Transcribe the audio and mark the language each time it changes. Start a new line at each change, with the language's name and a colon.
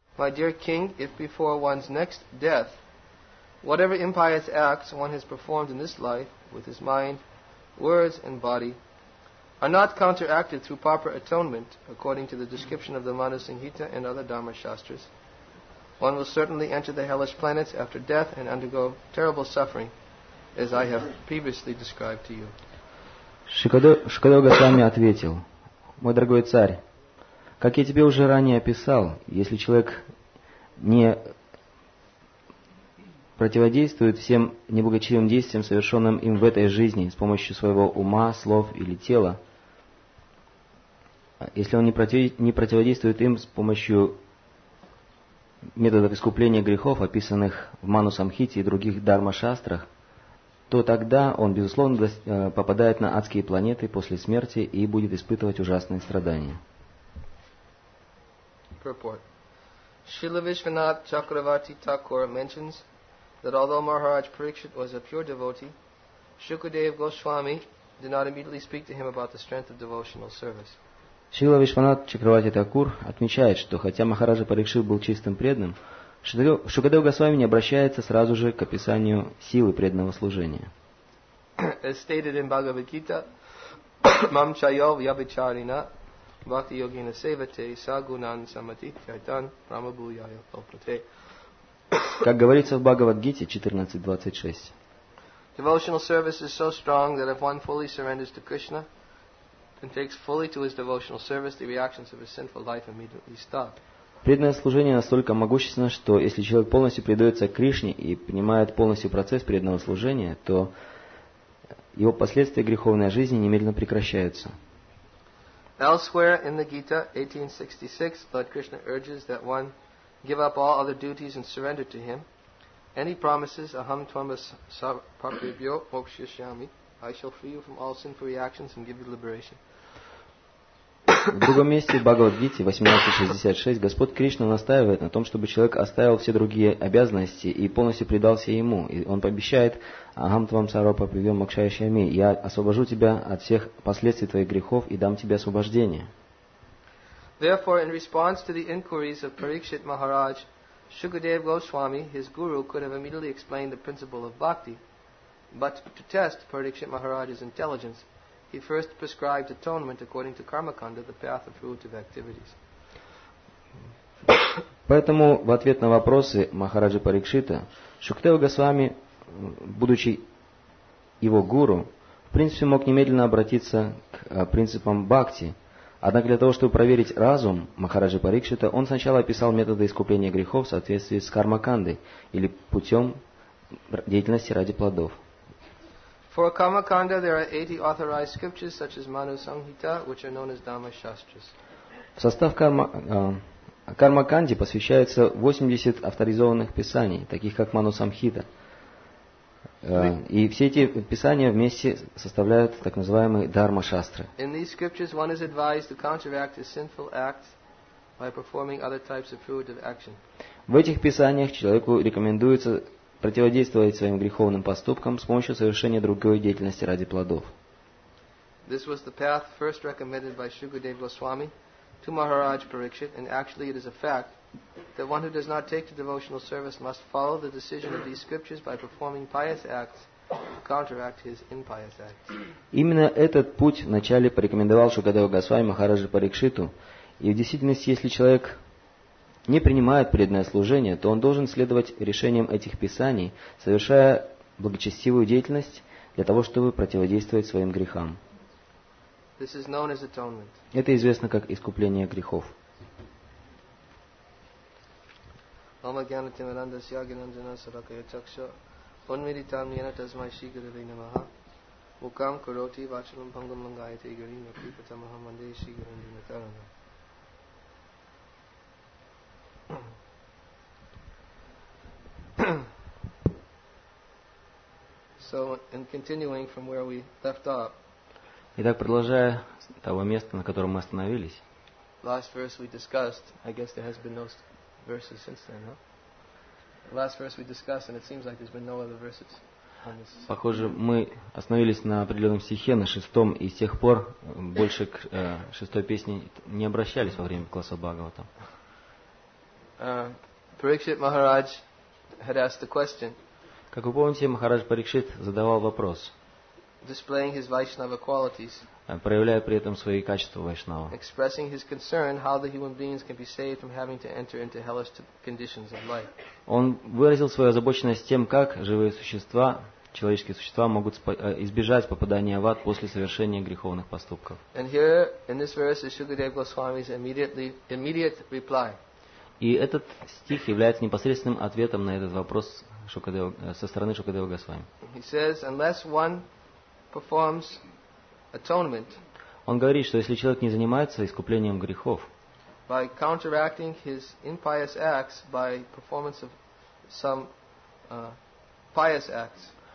English: My dear king, if before one's next death, whatever impious acts one has performed in this life with his mind, words, and body are not counteracted through proper atonement, according to the description of the Manusanghita and other Dharma Shastras, one will certainly enter the hellish planets after death and undergo terrible suffering, as I have previously described to you.
Russian: Шикадев Госвами ответил: «Мой дорогой царь, как я тебе уже ранее описал, если человек не противодействует всем неблагочестивым действиям, совершенным им в этой жизни с помощью своего ума, слов или тела, если он не противодействует им с помощью методов искупления грехов, описанных в Манусамхите и других дхармашастрах, то тогда он, безусловно, попадает на адские планеты после смерти и будет испытывать ужасные страдания».
English: Purport. Srila Vishwanath Chakravarti Thakur mentions that although Maharaj Parikshit was a pure devotee, Shukadev Goswami did not immediately speak to him about the strength of devotional service.
Russian: Шрила Вишванат Чакравати Такур отмечает, что хотя Махараджа Парикшит был чистым преданным, Шукадев Госвами не обращается сразу же к описанию силы преданного служения.
English: As stated in Bhagavad Gita,
Sanskrit: Mam chayo vyabhicharina bhakti yogina sevate sagunan samati chaitan pramabhuyaya kalpate.
Russian: Как говорится в Бхагавад-гите 14.26.
English: Devotional service is so strong that if one fully surrenders to Krishna and takes fully to his devotional service, the reactions of his sinful life immediately stop.
Russian: Преданное служение настолько могущественно, что если человек полностью предается Кришне и принимает полностью процесс преданного служения, то его последствия греховной жизни немедленно прекращаются.
English: Elsewhere in the Gita 18.66, Lord Krishna urges that one give up all other duties and surrender to him. And he promises,
Sanskrit: Aham Tvama Sarpapribhyo Mokshishyami,
English: I shall free you from all sinful reactions and give you liberation.
Russian: В другом месте Бхагавад-гите 18.66 Господь Кришна настаивает на том, чтобы человек оставил все другие обязанности и полностью предался ему. И он пообещает,
Sanskrit: Aham Tvama Sarpapribhyo Mokshishyami,
Russian: я освобожу тебя от всех последствий твоих грехов и дам тебе освобождение.
English: Therefore, in response to the inquiries of Parikshit Maharaj, Shukadev Goswami, his guru, could have immediately explained the principle of bhakti. But to test Parikshit Maharaj's intelligence, he first prescribed atonement according to Karmakanda, the path of fruitive activities.
Russian: Поэтому в ответ на вопросы Махараджа Парикшита, Шукадева Госвами, будучи его гуру, в принципе мог немедленно обратиться к принципам бхакти. Однако для того, чтобы проверить разум Махараджи Парикшита, он сначала описал методы искупления грехов в соответствии с кармакандой или путем деятельности ради плодов.
English: For Karmakanda there are 80 authorized scriptures such as Manu Sanghita, which are known as Dhamma Shastras.
Russian: В состав кармаканди посвящается 80 авторизованных писаний, таких как Ману Самхита. И все эти писания вместе составляют так называемые дхарма-шастры.
English: In these scriptures one is advised to counteract his sinful acts by performing other types of fruitive action.
Russian: В этих писаниях человеку рекомендуется противодействовать своим греховным поступкам с помощью совершения другой деятельности ради плодов.
English: This was the path first recommended by Shukadev Goswami to Maharaj Parikshit, and actually it is a fact that one who does not take to devotional service must follow the decision of these scriptures by performing pious acts to counteract his impious acts.
Russian: Именно этот путь вначале порекомендовал Шукадева Госвами Махараджа Парикшиту. И в действительности, если человек не принимает преданное служение, то он должен следовать решениям этих писаний, совершая благочестивую деятельность для того, чтобы противодействовать своим грехам.
English: This is known as atonement.
Russian: Это известно как искупление грехов.
Sanskrit: Ома Гьянати Миранда Сьягинанджана Саракая Чакша Унмиритам Ньяна Тазмай Ши Гурави Намаха Мукам Куроти Вачалам Пангам Лангайте Игари Мапри Патамаха Манде Ши Гуранди Натарана.
English: So, in continuing from where we left off.
Russian: Итак, продолжая с того места, на котором мы остановились.
English: Last verse we discussed, I guess there has been no verses since then, huh? The last verse we discussed, and it seems like there's been no other verses.
Russian: Похоже, мы остановились на определенном стихе, на шестом, и с тех пор больше к шестой песне не обращались во время класса Бхагавата.
English: Parikshit Maharaj had asked the question.
Russian: Как вы помните, Махарадж Парикшит задавал вопрос.
English: Displaying his Vaishnava qualities.
Russian: Проявляя при этом свои качества вайшнава.
English: Expressing his concern how the human beings can be saved from having to enter into hellish conditions of life.
Russian: Он выразил свою озабоченность тем, как живые существа, человеческие существа могут избежать попадания в ад после совершения греховных поступков.
English: And here in this verse is Shukadev Goswami's immediate reply.
Russian: И этот стих является непосредственным ответом на этот вопрос со стороны Шукадева Госвами.
English: He says, unless one performs atonement,
Russian: он говорит, что если человек не занимается искуплением грехов,
English: by counteracting his impious acts by performance of some pious acts,